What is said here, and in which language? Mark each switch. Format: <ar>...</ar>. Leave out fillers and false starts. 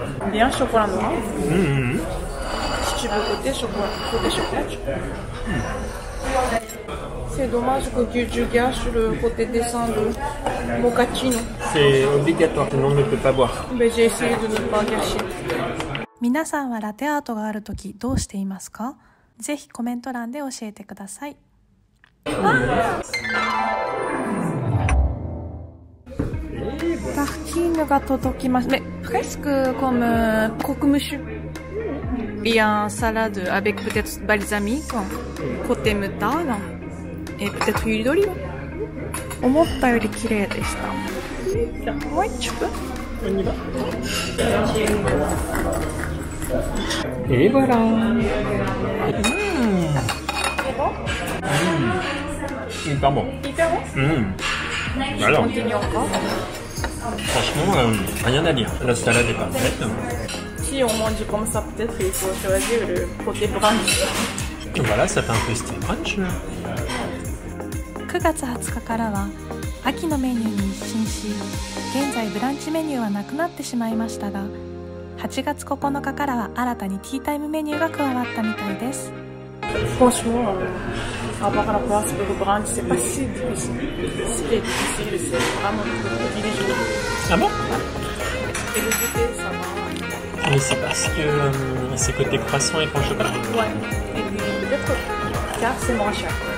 <fr>Bien chocolat noir. Si tu veux goûter chocolat, tu peux. C'est dommage que tu gâches le côté dessin de mochaccino. C'est obligatoire, sinon on ne peut pas boire. Mais j'ai essayé de ne pas gâcher.</fr> <ja>皆さんはラテアートがあるときどうしていますか？ぜひコメント欄で教えてください。タフティーヌが届きました。</ja> <fr>presque comme croque-monsieur. Il y a un salade avec peut-être balsamique, côté moutarde et peut-être huile d'olive.</fr> <ja>思ったより綺麗でした。もう一つ。こんにちは。</ja> <fr>Et voilà. C'est bon. Hyper bon. Hyper bon. Alors. Continue encore. Franchement, rien à dire. La salade est parfaite. Si on mange comme ça, peut-être il faut choisir le côté brunch. Voilà, ça fait un peu style brunch.</fr> <ja>9月20日からは秋のメニューに一新し、現在ブランチメニューはなくなってしまいましたが。 8月9日からは新たにティータイムメニューが加わったみたいです。</ja> <fr>Franchement, avoir la place pour le brunch, c'est pas si difficile. Ce qui est difficile, c'est vraiment le petit déjeuner. Ah bon? Et le goûter, ça va. Mais c'est parce que c'est côté croissant et pain au chocolat. Ouais, et peut-être car c'est moins cher.</fr>